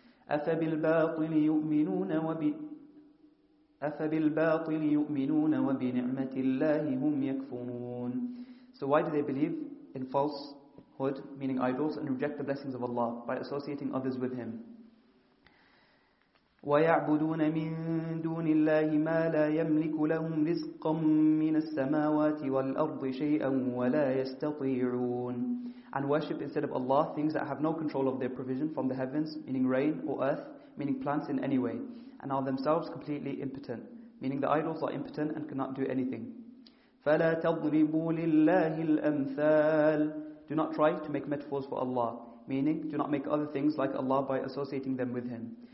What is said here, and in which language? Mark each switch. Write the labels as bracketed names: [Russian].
[Arabic] أَفَبِالْبَاطِلِ يُؤْمِنُونَ وَبِنِعْمَةِ اللَّهِ هُمْ يَكْفُرُونَ. [English] So why do they believe in falsehood, meaning idols, and reject the blessings of Allah by associating others with Him? [Arabic] ويعبدون من دون الله ما لا يملك لهم رزقا من السماوات والأرض شيئا ولا يستطيعون. [English] And worship instead of Allah things that have no control of their provision from the heavens, meaning rain or earth, meaning plants in any way, and are themselves completely impotent, meaning the idols are impotent and cannot do anything. [Arabic] فلا تضربوا لله الأمثال. [English] Do not try to make metaphors for Allah, meaning do not make other things like Allah by associating them with Him.